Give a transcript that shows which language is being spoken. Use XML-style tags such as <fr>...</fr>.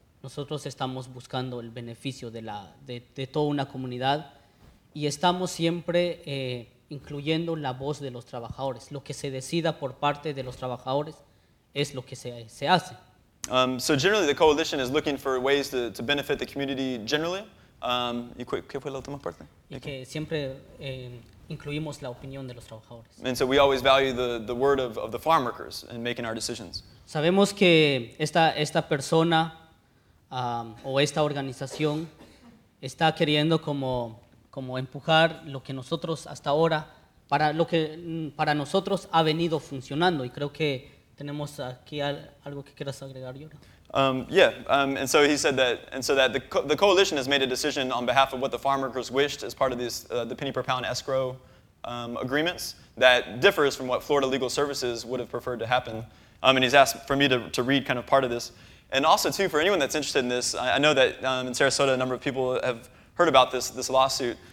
<es>Nosotros estamos buscando el beneficio de toda una comunidad y estamos siempre incluyendo la voz de los trabajadores. Lo que se decida por parte de los trabajadores es lo que se hace.</es> <en>So generally, the coalition is looking for ways to benefit the community generally.</en> <es>¿Qué fue la última parte? Y que siempre incluimos la opinión de los trabajadores.</es> <en>And so we always value the word of the farm workers in making our decisions.</en> <es>Sabemos que esta persona o esta organización está queriendo como empujar lo que nosotros hasta ahora, para lo que para nosotros ha venido funcionando. Y creo que tenemos aquí algo que quieras agregar, Yora.</es> <en>And so he said that, and so that the coalition has made a decision on behalf of what the farm workers wished as part of this the penny per pound escrow agreements that differs from what Florida Legal Services would have preferred to happen. And he's asked for me to read kind of part of this. And also, too, for anyone that's interested in this, I know that in Sarasota, a number of people have heard about this lawsuit.</en>